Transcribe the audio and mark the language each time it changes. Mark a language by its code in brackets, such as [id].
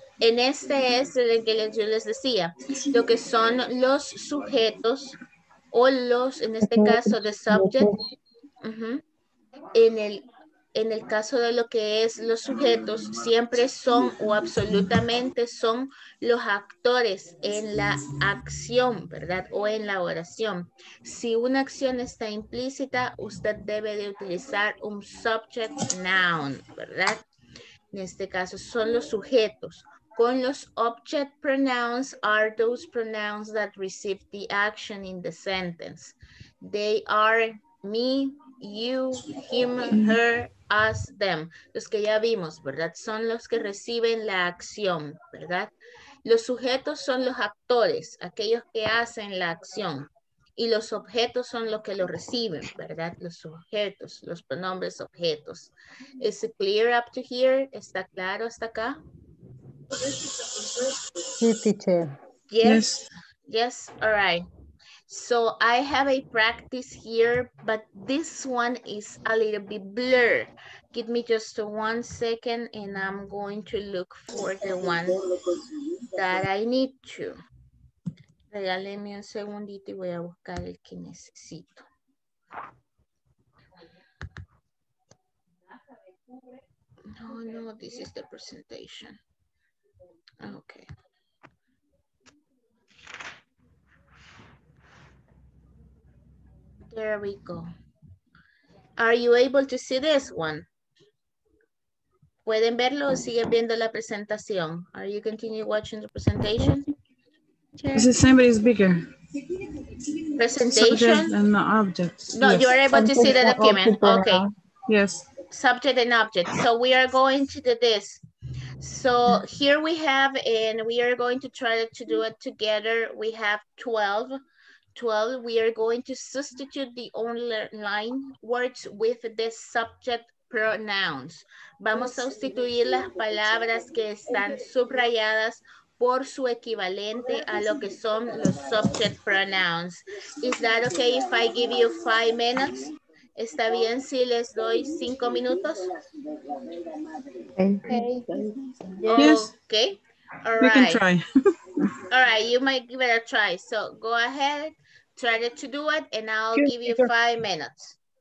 [es] En este es el que yo les decía, lo que son los sujetos o los, en este caso, the subject, en el caso de lo que es los sujetos, siempre son o absolutamente son los actores en la acción, ¿verdad? O en la oración. Si una acción está implícita, usted debe de utilizar un subject noun, ¿verdad? En este caso son los sujetos. Con los [en] object pronouns are those pronouns that receive the action in the sentence. They are me, you, him, her, us, them. [es] Los que ya vimos, ¿verdad? Son los que reciben la acción, ¿verdad? Los sujetos son los actores, aquellos que hacen la acción. Y los objetos son los que lo reciben, ¿verdad? Los sujetos, los pronombres objetos. [en] Is it clear up to here? [es] ¿Está claro hasta acá? Sí, teacher. [en] Yes. Yes, all right. So I have a practice here, but this one is a little bit blurred. Give me just 1 second and I'm going to look for the one that I need to. [es] Regáleme un segundito y voy a buscar el que necesito. [en] No, no, this is the presentation. Okay. There we go. Are you able to see this one? [es] ¿Pueden verlo o siguen viendo la presentación? [en] Are you continue watching the presentation? Yes. The same, but it's bigger. Presentation? Subject and objects. No, yes. You are able to see the document. Okay. Yes. Subject and object. So we are going to do this. So here we have, and we are going to try to do it together. We have 12. We are going to substitute the online words with the subject pronouns. [es] Vamos a sustituir las palabras que están subrayadas por su equivalente a lo que son los subject pronouns. [en] Is that okay if I give you 5 minutes? [es] ¿Está bien si les doy 5 minutos? [en] Okay. Yes. Okay. All right. We can try. All right, you might give it a try. So go ahead. Try to do it and I'll give you 5 minutes.